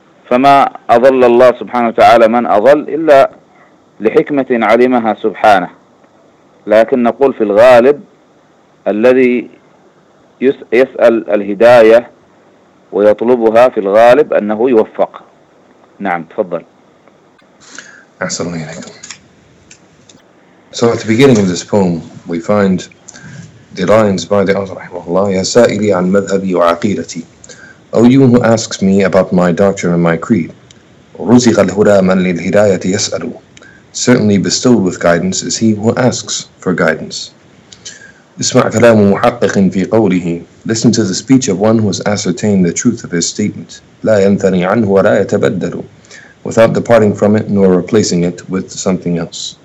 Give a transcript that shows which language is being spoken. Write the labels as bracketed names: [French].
[Arabic] فما أضل الله سبحانه وتعالى من أضل إلا لحكمة علمها سبحانه. لكن نقول في الغالب الذي يسأل الهداية ويطلبها في الغالب أنه يوفق. نعم، تفضل. أحسن الله إليك. [English] So at the beginning of this poem we find the lines by the author رحمه الله: [Arabic] يا سائلي عن مذهبي وعقيدتي. [English] O you who asks me about my doctrine and my creed. [Arabic] رزق الهدى من للهداية يسأل. [English] Certainly bestowed with guidance is he who asks for guidance. [Arabic] اسمع كلام محقق في قوله. [English] Listen to the speech of one who has ascertained the truth of his statement. [Arabic] لا ينثني عنه ولا يتبدل. [English] Without departing from it nor replacing it with something else.